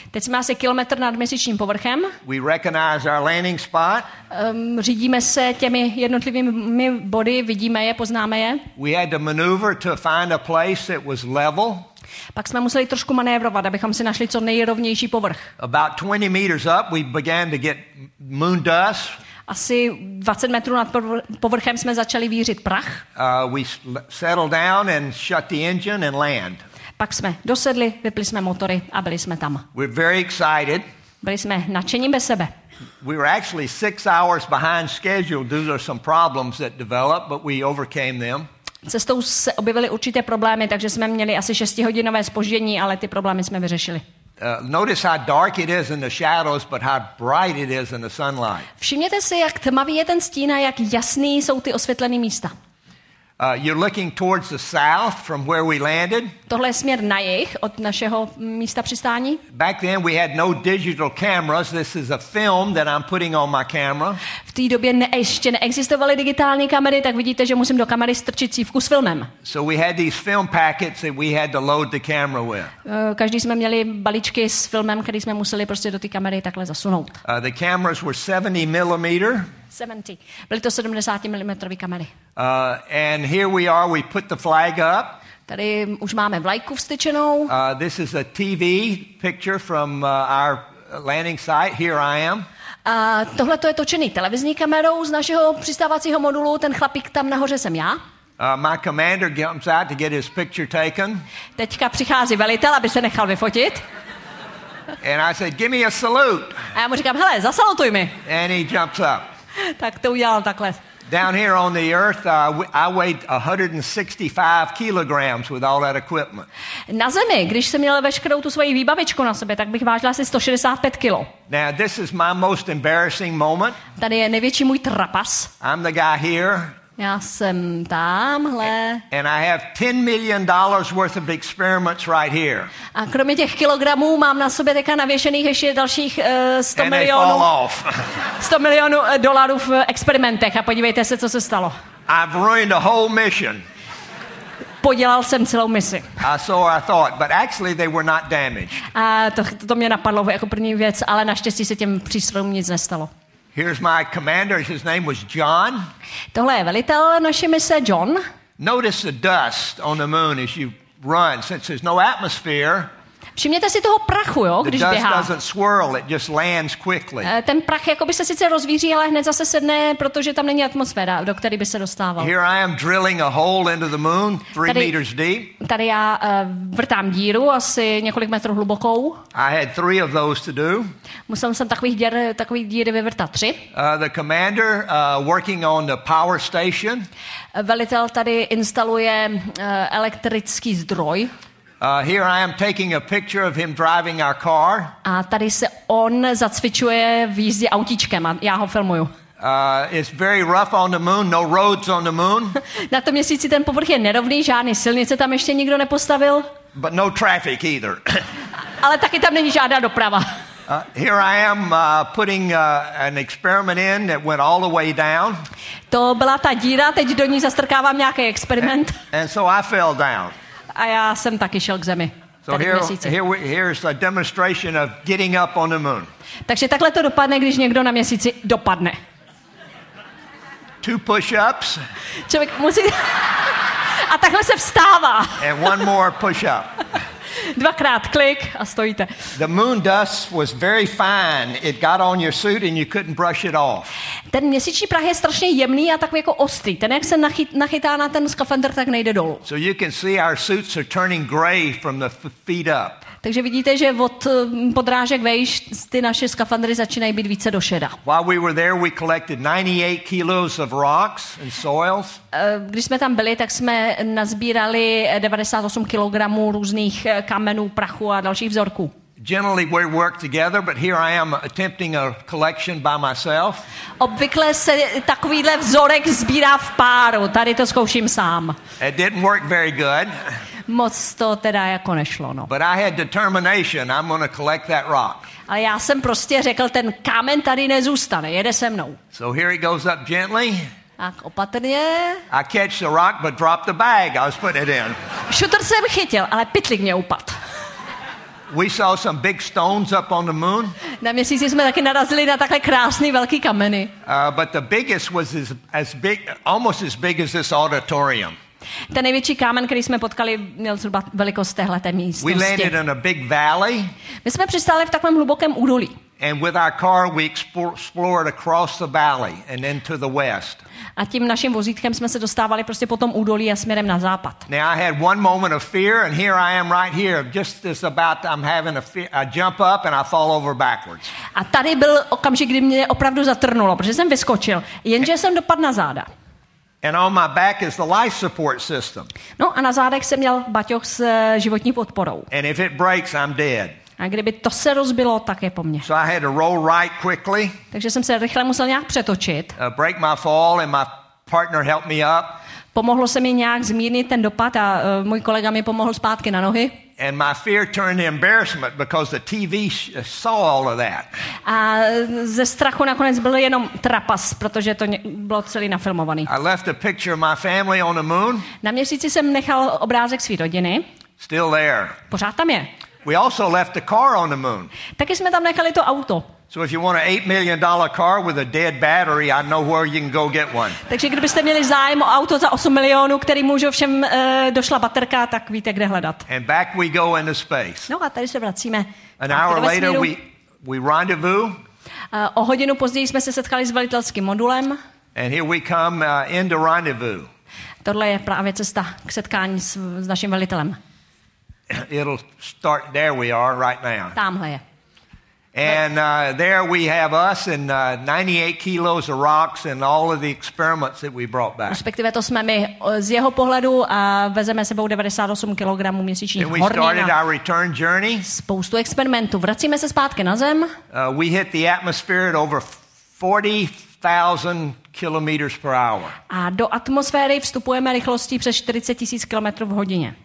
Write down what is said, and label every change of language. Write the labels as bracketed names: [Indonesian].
[Czech] Teď jsme asi kilometr nad měsíčním povrchem. [English] We recognize our landing spot. [Czech] Řídíme se těmi jednotlivými body, vidíme je, poznáme je. [English] We had to maneuver to find a place that was level. [Czech] Pak jsme museli trošku manévrovat, abychom si našli co nejrovnější povrch. [English] About 20 meters up, we began to get moon dust. [Czech] Asi 20 metrů nad povrchem jsme začali vířit prach. [English] We settled down and shut the engine and land. [Czech] Pak jsme dosedli, vypli jsme motory a byli jsme tam. [English] We're very excited. [Czech] Byli jsme nadšení bez sebe. [English] We were actually 6 hours behind schedule. Those are some problems that developed, but we overcame them. [Czech] Cestou se objevily určité problémy, takže jsme měli asi 6-hodinové zpoždění, ale ty problémy jsme vyřešili. [English] Notice how dark it is in the shadows, but how bright it is in the sunlight. [Czech] Všimněte si, jak tmavý je ten stín a jak jasný jsou ty osvětlené místa. [English] You're looking towards the south from where we landed. [Czech] Tohle je směr na jih od našeho místa přistání. [English] Back then we had no digital cameras. This is a film that I'm putting on my camera. [Czech] V té době ještě neexistovaly digitální kamery, tak vidíte, že musím do kamery strčit cívku s filmem. [English] So we had these film packets that we had to load the camera with. [Czech] Každý jsme měli balíčky s filmem, který jsme museli prostě do té kamery takhle zasunout. [English] The cameras were 70 millimeter. [Czech] Byly to 70 mm kamery. [English] And here we are, we put the flag up. [Czech] Tady už máme vlajku vstyčenou. [English] This is a TV picture from our landing site. Here I am. [Czech] Tohle to je točený televizní kamerou z našeho přistávacího modulu. Ten chlapík tam nahoře jsem já. [English] My commander comes out to get his picture taken. [Czech] Teďka přichází velitel, aby se nechal vyfotit. [English] And I said, give me a salute. [Czech] A já mu říkám, hele, zasalutuj mi. [English] And he jumps up. [Czech] Tak to udělal takhle. [English] Down here on the earth, I weighed 165 kilograms with all that equipment. [Czech] Na zemi, když jsem měl veškerou tu svoji výbavičku na sobě, tak bych vážila asi 165 kilo. [English] Now this is my most embarrassing moment. [Czech] Tady je největší můj trapas. [English] I'm the guy here. [Czech] Já jsem tamhle. [English] And I have $10 million worth of experiments right here. [Czech] A kromě těch kilogramů mám na sobě teďka navěšených ještě dalších 100 milionů. 100 milionů dolarů v experimentech a podívejte se, co se stalo. [English] I've ruined a whole mission. [Czech] Podělal jsem celou misi. [English] I thought, but actually they were not damaged. [Czech] A to mě napadlo jako první věc, ale naštěstí se těm přístrojům nic nestalo. [English] Here's my commander. His name was John. [Czech] Tohle je velitel naší mise, John. [English] Notice the dust on the moon as you run, since there's no atmosphere. [Czech] Všimněte si toho prachu, jo, když běhá. [English] Swirl, it just lands. [Czech] Ten prach jakoby se sice rozvíří, ale hned zase sedne, protože tam není atmosféra, do které by se dostával. [English] Here I am drilling a hole into the moon, 3 meters deep. [Czech] Tady já vrtám díru asi několik metrů hlubokou. [English] I had 3 of those to do. [Czech] Musel jsem takových díry vyvrtat 3. [English] The commander working on the power station. [Czech] Velitel tady instaluje elektrický zdroj. [English] Here I am taking a picture of him driving our car. [Czech] A tady se on zacvičuje v jízdě autíčkem a já ho filmuju. [English] It's very rough on the moon, no roads on the moon. [Czech] Na tom měsíci ten povrch je nerovný, žádné silnice tam ještě nikdo nepostavil. [English] But no traffic either. [Czech] Ale taky tam není žádná doprava. [English] Here I am putting an experiment in that went all the way down. [Czech] To byla ta díra, teď do ní zastrkávám nějaký experiment. [English] And so I fell down. [Czech] A já jsem taky šel k zemi. [English] So here is a demonstration of getting up on the moon. [Czech] Takže takhle to dopadne, když někdo na měsíci dopadne. [English] 2 push-ups. [Czech] Člověk musí... A takhle se vstává. [English] And one more push-up. [Czech] Dvakrát klik a stojíte. [English] The moon dust was very fine. It got on your suit and you couldn't brush it off. [Czech] Ten měsíční prach je strašně jemný a takový jako ostrý. Ten jak se nachytá na ten skafandr, tak nejde dolů. [English] So you can see our suits are turning gray from the feet up. [Czech] Takže vidíte, že od podrážek vejš ty naše skafandry začínají být více do šeda. [English] While we were there, we collected 98 kilos of rocks and soils. [Czech] Když jsme tam byli, tak jsme nazbírali 98 kilogramů různých kamenů, prachu a dalších vzorků. [English] Generally we work together, but here I am attempting a collection by myself. [Czech] Obvykle se takovýhle vzorek sbírá v páru. Tady to zkouším sám. [English] It didn't work very good. [Czech] Moc to teda jako nešlo, no. [English] But I had determination. I'm going to collect that rock. [Czech] Ale já jsem prostě řekl, ten kámen tady nezůstane. Jede se mnou. [English] So here it goes up gently. [Czech] Tak opatrně. [English] I catch the rock, but drop the bag. I was putting it in. [Czech] Šutr jsem chytil, ale pytlík mě upadl. [English] We saw some big stones up on the moon. [Czech] Na měsíci jsme taky narazili na takhle krásný velký kameny. [English] But the biggest was as big, almost as big as this auditorium. [Czech] Ten největší kámen, který jsme potkali, měl zhruba velikost téhleté místnosti. [English] We landed in a big valley. [Czech] My jsme přistáli v takovém hlubokém údolí. [English] And with our car we explored across the valley and into the west. [Czech] A tím naším vozítkem jsme se dostávali prostě po tom údolí a směrem na západ. [English] Now I had one moment of fear and here I am right here just as about I'm having a jump up and I fall over backwards. [Czech] A tady byl okamžik, kdy mě opravdu zatrnulo, protože jsem vyskočil, jenže jsem dopadl na záda. [English] And on my back is the life support system. [Czech] No a na zádech jsem měl baťoch s životní podporou. [English] And if it breaks, I'm dead. [Czech] A kdyby to se rozbilo, tak je po mně. [English] So I had to roll right quickly. [Czech] Takže jsem se rychle musel nějak přetočit. [English] Break my fall and my partner helped me up. [Czech] Pomohlo se mi nějak zmírnit ten dopad a můj kolega mi pomohl zpátky na nohy. [English] And my fear turned to embarrassment because the TV saw all of that. [Czech] A ze strachu nakonec byl jenom trapas, protože to bylo celý nafilmovaný. [English] I left a picture of my family on the moon. [Czech] Na měsíci jsem nechal obrázek své rodiny. [English] Still there. [Czech] Pořád tam je. [English] We also left the car on the moon. [Czech] Taky jsme tam nechali to auto. [English] So if you want an $8 million car with a dead battery, I know where you can go get one. [Czech] Takže kdybyste měli zájem o auto za 8 milionů, který může všem došla baterka, tak víte kde hledat. [English] And back we go into space. [Czech] No a tady se vracíme. [English] An hour later we rendezvous. [Czech] O hodinu později jsme se setkali s velitelským modulem. [English] And here we come into rendezvous. [Czech] Tohle je právě cesta k setkání s naším velitelem. [English] It'll start there we are right now. [Czech] Tamhle je. [English] And there we have us and 98 kilos of rocks and all of the experiments that we brought back. [Czech] Respektive to jsme my z jeho pohledu a vezeme sebou 98 kilogramů měsíčních hornin. [English] And we started our return journey. [Czech] Spoustu experimentů. Vracíme se zpátky na zem. [English] We hit the atmosphere at over 40,000 kilometers per hour. [Czech] A do atmosféry vstupujeme rychlostí přes 40 000 kilometrů v hodině.